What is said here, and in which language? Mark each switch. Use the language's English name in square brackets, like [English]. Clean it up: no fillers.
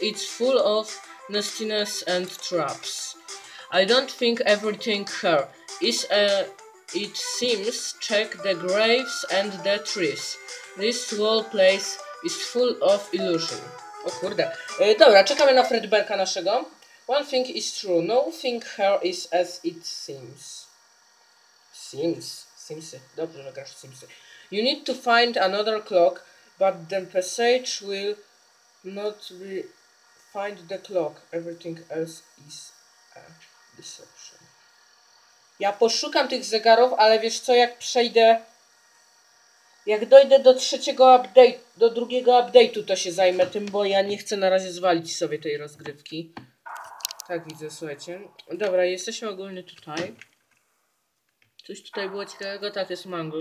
[English] It's full of nastiness and traps. I don't think everything here is a it seems, check the graves and the trees. This whole place is full of illusion. [Polish] O kurde. Dobra, czekamy na Fredberka naszego. [English] One thing is true. Nothing here is as it seems. Simsy. [Polish] Dobrze, że grasz Simsy. [English] You need to find another clock, but the passage will not be find the clock. Everything else is a deception. [Polish] Ja poszukam tych zegarów, ale wiesz co, jak przejdę, jak dojdę do trzeciego update, do drugiego update'u, to się zajmę tym, bo ja nie chcę na razie zwalić sobie tej rozgrywki. Tak widzę, słuchajcie. Dobra, jesteśmy ogólnie tutaj. Coś tutaj było ciekawego, tak, jest mango.